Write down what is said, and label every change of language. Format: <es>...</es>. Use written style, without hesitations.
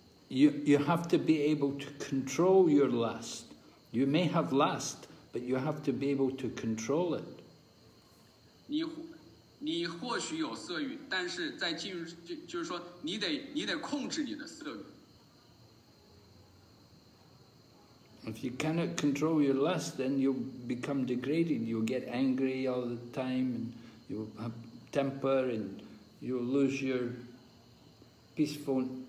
<en>You have to be able to control your lust. You may have lust, but you have to be able to control it.</en> <zh>你或许有色欲，但是在进入 就是说你得控制你的色欲。</zh> <en>If you cannot control your lust, then you become degraded. You get angry all the time, and you have temper, and you lose your peaceful.</en>